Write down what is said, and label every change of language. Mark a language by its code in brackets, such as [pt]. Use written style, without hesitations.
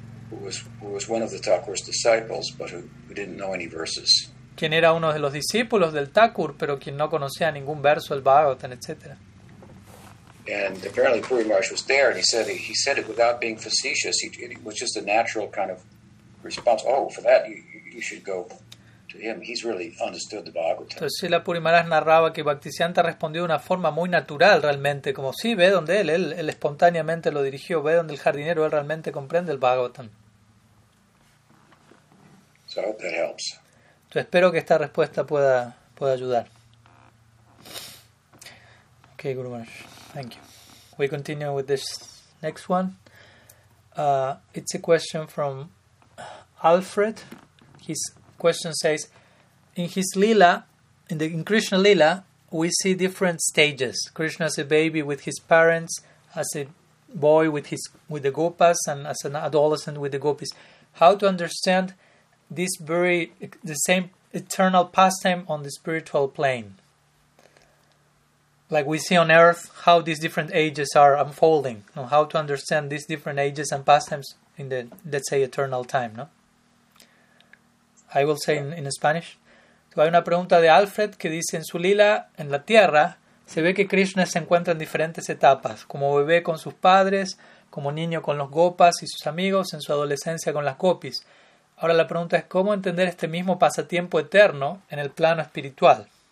[en] Who was one of the Thakur's disciples, but who didn't know any verses. [es] Quien era uno de los discípulos del Thakur, pero quien no conocía ningún verso del Bhagavatam, etc. [en] And apparently Puri Maharaj was there, and he said it without being facetious. It was just a natural kind of response. Oh, for that you should go to him, he's really understood the Bhagavatam. [es] Entonces Srila Puri Maharaj narraba que Bhaktisiddhanta respondió de una forma muy natural realmente, como sí, ve donde él espontáneamente lo dirigió, ve donde el jardinero, él realmente comprende el Bhagavatam. [en] So I hope that helps. [es] Entonces espero que esta respuesta pueda ayudar. [en] Ok, Guru Maharaj, thank you. We continue with this next one. It's a question from Alfred. His question says, in his Lila, in Krishna Lila, we see different stages. Krishna as a baby with his parents, as a boy with the gopas, and as an adolescent with the gopis. How to understand this very, the same eternal pastime on the spiritual plane? Like we see on earth, how these different ages are unfolding. You know, how to understand these different ages and pastimes in the, let's say, eternal time, no? I will say in Spanish. [es] Hay una pregunta de Alfred que dice, en su lila, en la tierra, se ve que Krishna se encuentra en diferentes etapas, como bebé con sus padres, como niño con los gopas y sus amigos, en su adolescencia con las gopis. Ahora la pregunta es, ¿cómo entender este mismo pasatiempo eterno en el plano espiritual?